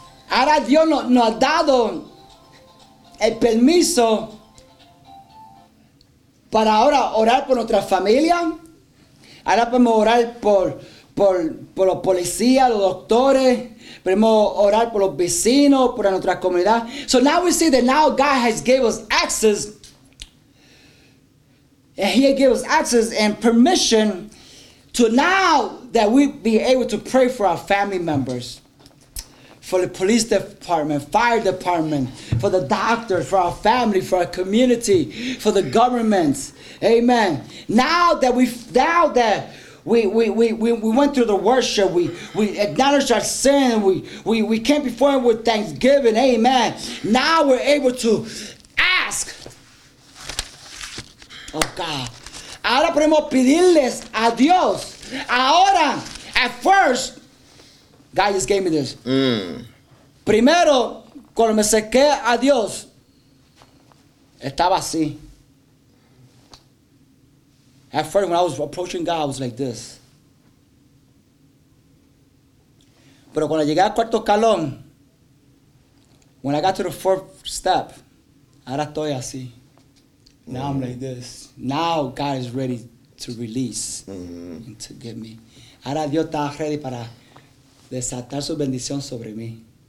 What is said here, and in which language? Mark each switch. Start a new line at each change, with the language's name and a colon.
Spanish: Ahora Dios nos ha dado el permiso para ahora orar por nuestra familia. Ahora podemos orar por los policías, los doctores. Podemos orar por los vecinos, por nuestra comunidad.
English: So now we see that now God has given us access. And he has given us access and permission to now that we be able to pray for our family members. For the police department, fire department, for the doctor, for our family, for our community, for the government. Amen. Now that we went through the worship, we acknowledged our sin, we came before him with thanksgiving. Amen. Now we're able to ask of God.
Spanish: Ahora podemos pedirles a Dios.
English: Ahora, at first, God just gave me this.
Spanish: Primero, cuando me acerqué a Dios, estaba así.
English: At first, when I was approaching God, I was like this.
Spanish: Pero cuando llegué al cuarto escalón,
English: when I got to the fourth step,
Spanish: ahora estoy así.
English: Now I'm like this. Now God is ready to release and to give me.
Spanish: Ahora Dios está ready para desatar su bendición sobre mí.